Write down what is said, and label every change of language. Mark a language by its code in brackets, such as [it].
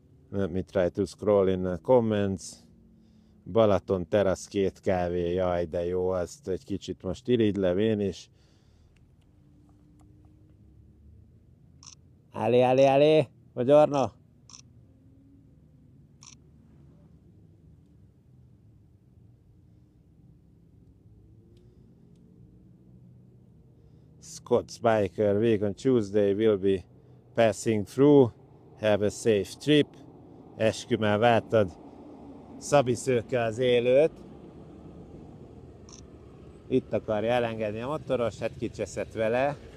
[en] Let me try to scroll in the comments. [hu] Balaton terasz, két kávé, jaj, de jó, azt egy kicsit most irigylem én is. [it] Ali, Ali, Ali! Buongiorno! [en] Scott's biker, week on Tuesday will be passing through. Have a safe trip. [hu] Eskü, már vártad Szabi Szőke az élőt. Itt akarja elengedni a motoros, hát kicseszett vele.